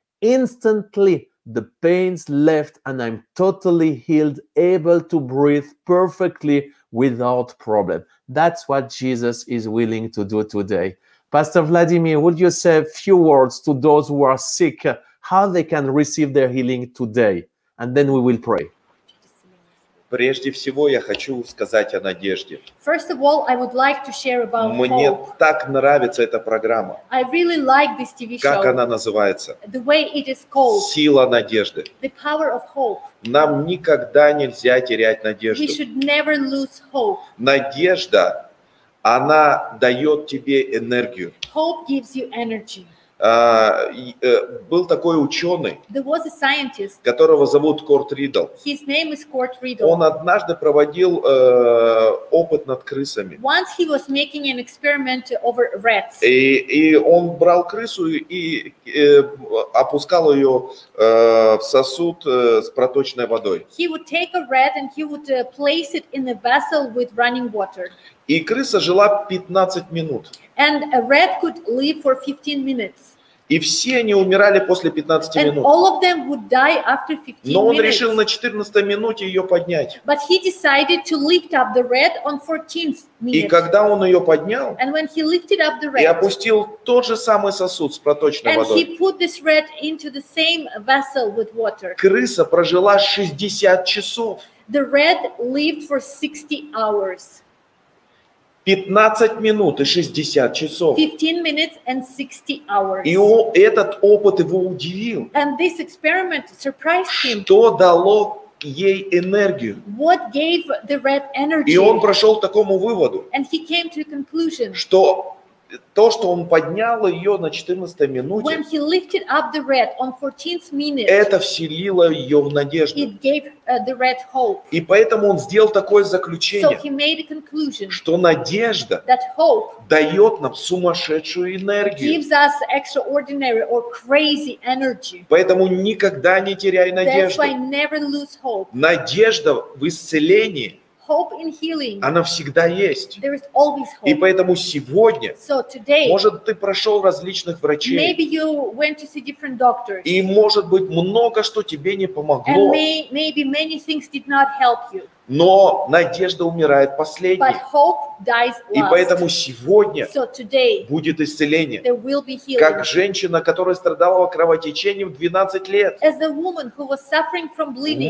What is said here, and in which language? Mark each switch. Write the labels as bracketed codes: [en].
[en] Instantly, the pains left, and I'm totally healed, able to breathe perfectly without problem. That's what Jesus is willing to do today. Pastor Vladimir, would you say a few words to those who are sick, how they can receive their healing today? And then we will pray. [ru] Прежде всего, я хочу сказать о надежде. [en] First of all, I would like to share about [ru] Мне [en] hope. [ru] Так нравится эта программа. [en] I really like this TV show. [ru] Как она называется? [en] The way it is called. [ru] Сила надежды. [en] The power of hope. [ru] Нам никогда нельзя терять надежду. [en] We should never lose hope. [ru] Надежда, она дает тебе энергию. [en] Hope gives you energy. [ru] Был такой ученый, [en] There was a scientist, [ru] которого зовут Курт Ридл. [en] His name is Kurt Riddle. [ru] Он однажды проводил опыт над крысами. [en] Once he was making an experiment over rats. [ru] И он брал крысу и опускал ее в сосуд с проточной водой. [en] He would take a rat and he would place it in a vessel with running water. [ru] И крыса жила 15 минут. [en] And a rat could live for 15 minutes. [ru] И все они умирали после 15 минут. [en] And all of them would die after 15 minutes. [ru] Но он [en] minutes. [ru] Решил на 14-й минуте ее поднять. [en] But he decided to lift up the rat on 14th minute. [ru] И когда он ее поднял, [en] And when he lifted up the rat, [ru] и опустил тот же самый сосуд с проточной [en] and [ru] водой, [en] he put this rat into the same vessel with water. [ru] Крыса прожила 60 часов. [en] The rat lived for 60 hours. [ru] 15 минут и 60 часов. [en] 15 minutes and 60 hours. [ru] И этот опыт его удивил. [en] And this experiment surprised him. [ru] Что дало ей энергию? [en] What gave the rat energy? [ru] И он пришел к такому выводу. [en] And he came to a conclusion. [ru] Что то, что он поднял ее на 14-й минуте, [en] When he lifted up the rat on 14th minute, [ru] это вселило ее в надежду. [en] It gave the rat hope. [ru] И поэтому он сделал такое заключение, [en] So he made a conclusion, [ru] что надежда [en] that hope [ru] дает нам сумасшедшую энергию. [en] Gives us extraordinary or crazy energy. [ru] Поэтому никогда не теряй надежду. [en] That's why never lose hope. [ru] Надежда в исцелении [en] Hope in healing. [ru] Она всегда есть. [en] There is always hope. [ru] И поэтому сегодня, [en] so today, [ru] может, ты прошел различных врачей, [en] maybe you went to see different doctors. [ru] И, может быть, много что тебе не помогло. [en] And maybe many things did not help you. [ru] Но надежда умирает последней. [en] But hope dies last. [ru] И поэтому сегодня [en] so today, [ru] будет исцеление. [en] There will be healing. [ru] Как женщина, которая страдала кровотечением 12 лет. [en] As the woman who was suffering from bleeding,